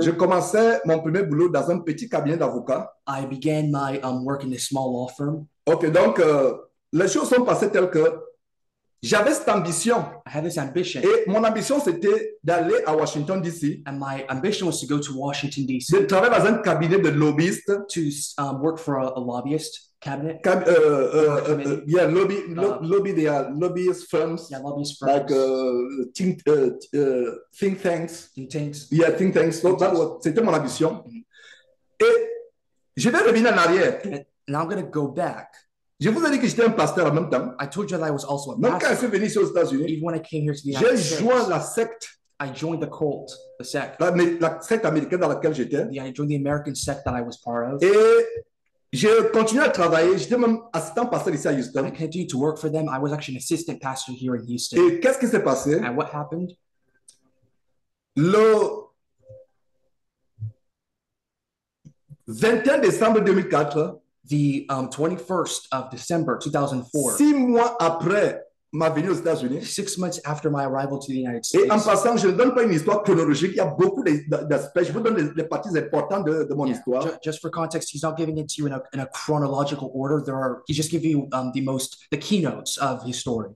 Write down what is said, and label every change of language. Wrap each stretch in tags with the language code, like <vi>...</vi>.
<fr>Je commençais mon premier boulot dans un petit cabinet d'avocat.</fr> <en>I began my work in a small law firm.</en> <fr>Ok, donc les choses sont passées telles que j'avais cette ambition.</fr> <en>I had this ambition.</en> <fr>Et mon ambition c'était d'aller à Washington D.C.</fr> <en>And my ambition was to go to Washington D.C.</en> <fr>De travailler dans un cabinet de lobbyistes.</fr> <en>To work for a lobbyist cabinet. Lobbyist firms. Yeah, lobbyist firms. Like think tanks. Think tanks. Yeah, think tanks. So think that was</en> <fr>c'était mon ambition. Mm-hmm. Et je vais revenir en arrière.</fr> <en>And I'm gonna go back.</en> <fr>Je vous ai dit que j'étais un pasteur en même temps.</fr> <en>I told you that I was also a</en> <fr>même</fr> <en>pastor.</en> <fr>Quand je suis venu ici aux États-Unis,</fr> <en>even when I came here to the</en> <fr>United States, j'ai joint la secte.</fr> <en>I joined the cult, the sect.</en> <fr>La secte américaine dans laquelle j'étais.</fr> <en>Yeah, I joined the American sect that I was part of.</en> <fr>Et j'ai continué à travailler. J'étais même assistant pasteur ici à Houston.</fr> <en>I continued to work for them. I was actually an assistant pastor here in Houston.</en> <fr>Et qu'est-ce qui s'est passé?</fr> <en>And what happened?</en> <fr>Le 21 décembre 2004.</fr> <en>The 21st of December 2004.</en> <fr>6 mois après ma venue aux États-Unis.</fr> <en>6 months after my arrival to the United States.</en> <fr>Et en passant, je ne donne pas une histoire chronologique. Il y a beaucoup d'aspects. Je vous donne les parties importantes de mon histoire.</fr> <en>Just for context, he's not giving it to you in a chronological order. He's just giving you the keynotes of his story.</en>